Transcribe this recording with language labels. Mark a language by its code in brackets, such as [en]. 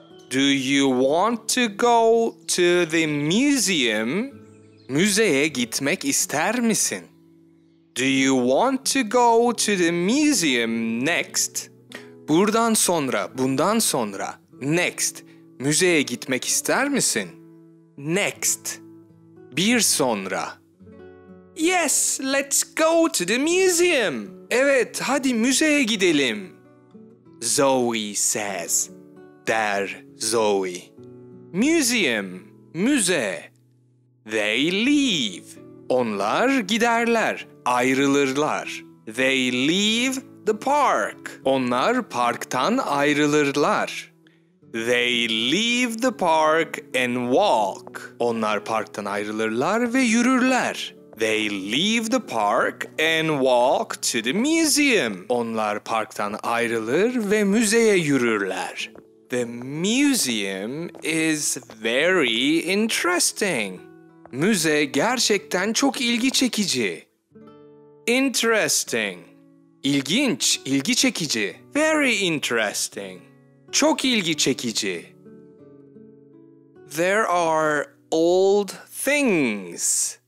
[en] Do you want to go to the museum? [tr] Müzeye gitmek ister misin? [en] Do you want to go to the museum next? [tr] Buradan sonra, bundan sonra, next, müzeye gitmek ister misin? [en] Next, [tr] bir sonra. [en] Yes, let's go to the museum. [tr] Evet, hadi müzeye gidelim. [en] Zoe says, [tr] der Zoe. [en] Museum, [tr] müze. [en] They leave. [tr] Onlar giderler, ayrılırlar. [en] They leave the park. [tr] Onlar parktan ayrılırlar. [en] They leave the park and walk. [tr] Onlar parktan ayrılırlar ve yürürler. [en] They leave the park and walk to the museum. [tr] Onlar parktan ayrılır ve müzeye yürürler. [en] The museum is very interesting. [tr] Müze gerçekten çok ilgi çekici. [en] Interesting. [tr] İlginç, ilgi çekici. [en] Very interesting. [tr] Çok ilgi çekici. [en] There are old things.